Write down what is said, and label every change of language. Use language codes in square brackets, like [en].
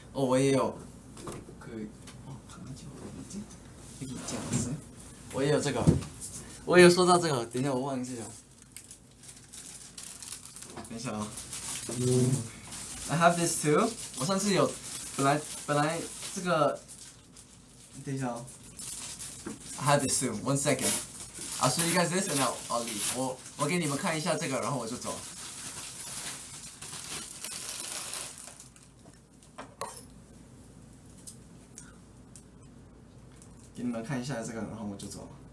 [zh] 我也有 [ko] 그어 강아지 어디 있지? 여기 있지 않았어요? [zh] 我也有这个。我也有收到这个。等一下，我忘记了。等一下啊。 [en] I have this too. [zh] 我上次有，本来这个，等一下哦。 [en] I have this too. One second. I'll show you guys this and I'll leave. [zh] 我给你们看一下这个，然后我就走。给你们看一下这个，然后我就走。